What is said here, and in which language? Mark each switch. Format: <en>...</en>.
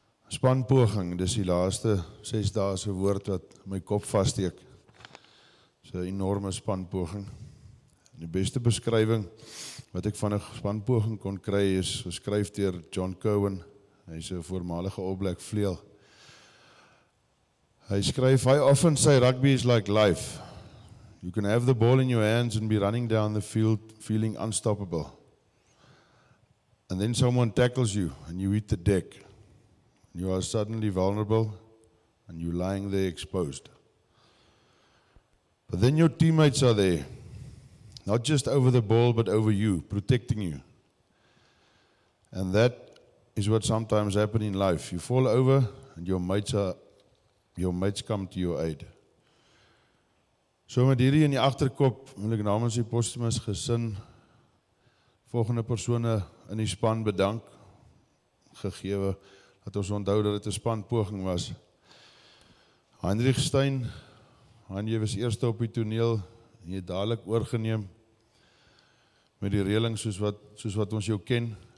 <af>Span poging, dis die laaste 6 dae se woord wat my kop vassteek. So 'n enorme span poging. En die beste beskrywing wat ek van 'n span poging kon kry is geskryf deur John Cowan. Hy's 'n voormalige All Black vleuel. Hy skryf,</af> <en>"How often say rugby is like life. You can have the ball in your hands and be running down the field feeling unstoppable. And then someone tackles you and you hit the deck. And you are suddenly vulnerable and you're lying there exposed. But then your teammates are there, not just over the ball but over you, protecting you. And that is what sometimes happens in life. You fall over and your mates come to your aid."</en> <af>So met hierdie in die agterkop, wil ek namens die Postumus gesin volgende persone in die span bedank, gegewe dat ons onthou dat dit 'n span poging was. Heinrich Stein, Heinie was eerste op die toneel en jy dadelik oorgeneem met die reëling soos wat ons jou ken.</af>